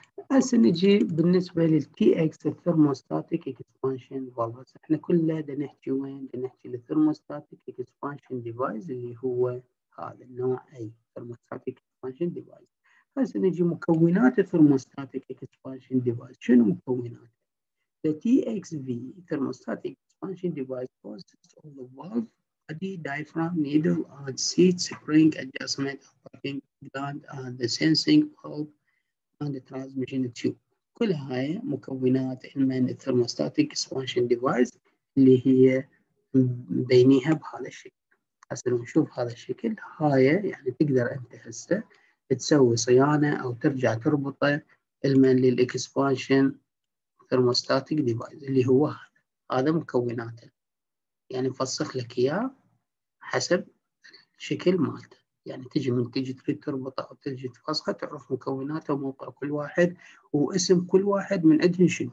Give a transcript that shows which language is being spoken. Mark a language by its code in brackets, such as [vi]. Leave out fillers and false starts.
[ar] هسه نجي بالنسبة للتي اكس الثرموستاتيك اكسبانشن فالفز. احنا كلنا دا نحكي وين؟ دا نحكي للثرموستاتيك اكسبانشن ديفايس اللي هو هذا النوع اي ثرموستاتيك اكسبانشن ديفايس. هسه نجي مكونات الثرموستاتيك اكسبانشن ديفايس. شنو مكونات؟ [en] The TXV thermostatic expansion device consists of the valve, body, diaphragm, needle, and seat spring adjustment, operating gland, and the sensing bulb and the transmission tube. [ar] كل هاي مكونات من thermostatic expansion device اللي هي بينيها بهذا الشكل. حسنا نشوف هذا الشكل. هاي يعني تقدر أنت هسه تسوي صيانة أو ترجع تربطه المن للإكسبانشن thermostatic device اللي هو هذا مكوناته يعني نفسخ لك اياه حسب شكل مالته يعني تجي من تجي تريد تربطه او تجي تفسخه تعرف مكوناته وموقع كل واحد واسم كل واحد من اجل شنو.